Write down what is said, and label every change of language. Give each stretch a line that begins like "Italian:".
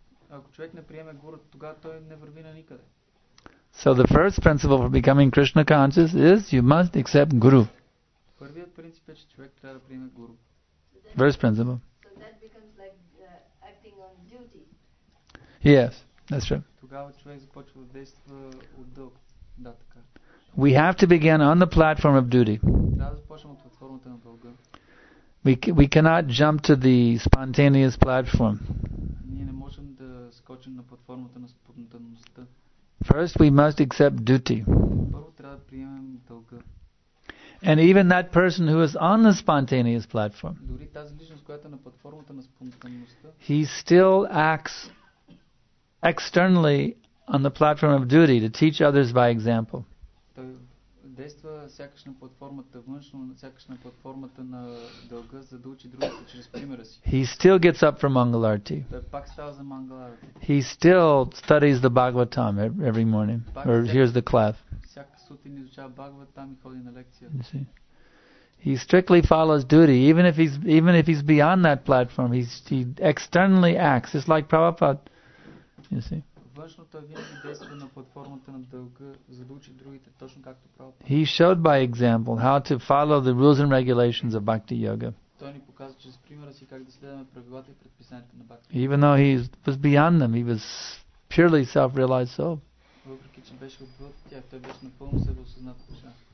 Bulgarian: Ако човек не приеме гуру, тогава той не върви на никъде.
English: So the first principle for becoming Krishna conscious is you must accept Guru. Първият принцип е, че човек трябва да приеме Гуру. First principle. So that becomes like acting on duty. Yes, that's true.
Bulgarian: Тогава човек започва да действа от дълг. Да, така.
English: We have to begin on the platform of duty.
Bulgarian: Трябва да започнем от платформата на дълга.
English: We cannot jump to the spontaneous platform.
Bulgarian: Ние не можем да скочим на платформата на спонтанността.
English: First, we must accept duty.
Bulgarian: Първо трябва да приемем дълга.
English: And even that person who is on the spontaneous platform,
Bulgarian: дори тази личност, която е на платформата на спонтанността,
English: he still acts externally on the platform of duty to teach others by example.
Bulgarian: Той действа сякаш на платформата външно, сякаш на платформата на дълга, за да учи другите чрез примера си.
English: He still gets up for Mangal Arati.
Bulgarian: Той пак става за Mangal Arati.
English: He still studies the Bhagavatam every morning, пак or hears the class.
Bulgarian: Всяка сутрин изучава Бхагаватам и ходи на лекция.
English: You see? He strictly follows duty, even if he's beyond that platform, he externally acts, just like Prabhupada. You see?
Bulgarian: Външно той винаги действа на платформата на дълга, за да учи другите, точно както правил.
English: He showed by example how to follow the rules and regulations of Bhakti Yoga.
Bulgarian: Той ни показва чрез примера си как да следваме правилата и предписанията на Бхакти.
English: Even though he was beyond them, he was purely self-realized soul.
Bulgarian: Въпреки че беше отвъд тях, той беше напълно себеосъзнат душа.